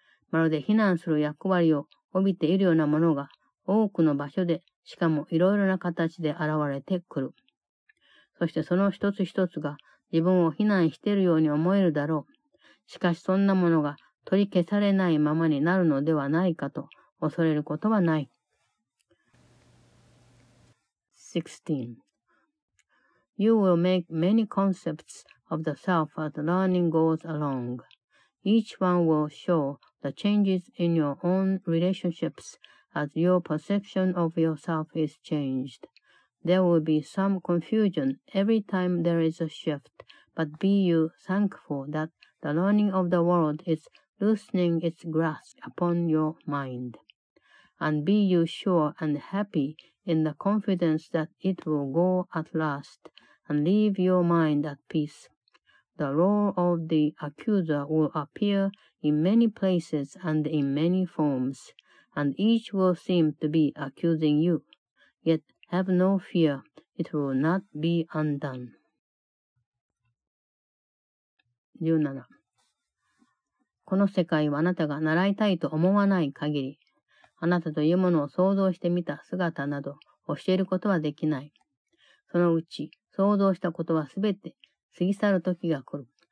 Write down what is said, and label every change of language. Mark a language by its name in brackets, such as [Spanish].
[Japanese] まるで避難する役割を帯びているようなものが多くの場所で、しかもいろいろな形で現れてくる。そしてその一つ一つが自分を避難しているように思えるだろう。しかしそんなものが取り消されないままになるのではないかと恐れることはない。 16. [English] You will make many concepts of the self as learning goes along. Each one will show the changes in your own relationships as your perception of yourself is changed. There will be some confusion every time there is a shift, but be you thankful that the learning of the world is loosening its grasp upon your mind. And be you sure and happy in the confidence that it will go at last and leave your mind at peace. The role of the accuser will appear in many places and in many forms, and each will seem to be accusing you. Yet have no fear, it will not be undone. 17. [Japanese] この世界はあなたが習いたいと思わない限り、あなたというものを想像してみた姿など教えることはできない。そのうち想像したことはすべて過ぎ去る時が来る。